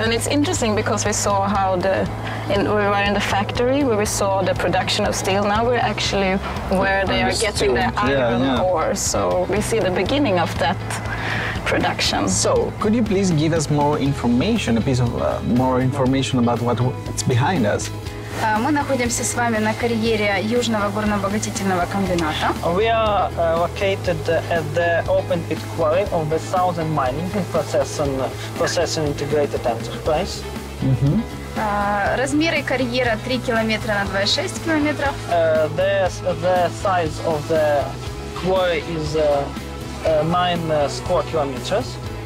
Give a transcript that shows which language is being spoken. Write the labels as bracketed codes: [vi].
[en] And it's interesting because we saw how we were in the factory where we saw the production of steel. Now we're actually where they are getting the iron ore. So we see the beginning of that production. So could you please give us more information, more information about what's behind us? [ru] Мы находимся с вами на карьере Южного горнообогатительного комбината. [en] We are located at the open pit quarry of the Southern Mining and Processing Integrated Enterprise. Mm-hmm. [ru] Размеры карьера 3 километра на 2,6 километра. [en] The size of the quarry is 9 square kilometers.